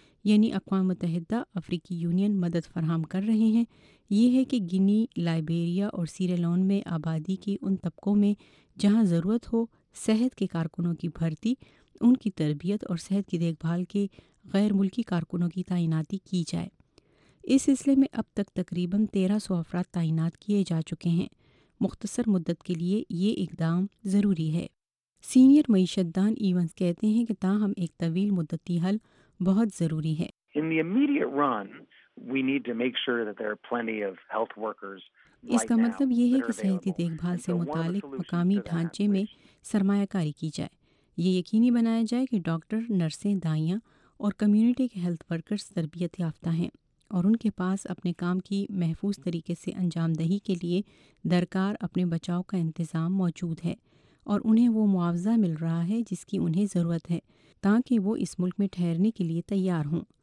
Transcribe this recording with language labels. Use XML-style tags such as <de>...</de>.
<ur>یعنی اقوام متحدہ، افریقی یونین مدد فراہم کر رہے ہیں، یہ ہے کہ گنی، لائبیریا اور سیرالون میں آبادی کی ان طبقوں میں جہاں ضرورت ہو صحت کے کارکنوں کی بھرتی، ان کی تربیت اور صحت کی دیکھ بھال کے غیر ملکی کارکنوں کی تعیناتی کی جائے۔ اس سلسلے میں اب تک تقریباً 1300 افراد تعینات کیے جا چکے ہیں۔ مختصر مدت کے لیے یہ اقدام ضروری ہے۔ سینئر معیشت دان ایونز کہتے ہیں کہ تاہم ایک طویل مدتی حل بہت ضروری ہے.</ur> <en>In the immediate run, we need to make sure that there are plenty of health workers.</en> <ur>اس کا مطلب یہ ہے کہ صحتی دیکھ بھال سے متعلق مقامی ڈھانچے میں سرمایہ کاری کی جائے. یہ یقینی بنایا جائے کہ ڈاکٹر، نرسیں، دائیاں اور کمیونٹی کے ہیلتھ ورکرز تربیت یافتہ ہیں اور ان کے پاس اپنے کام کی محفوظ طریقے سے انجام دہی کے لیے درکار اپنے بچاؤ کا انتظام موجود ہے اور انہیں وہ معاوضہ مل رہا ہے جس کی انہیں ضرورت ہے تاکہ وہ اس ملک میں ٹھہرنے کے لیے تیار ہوں.</ur>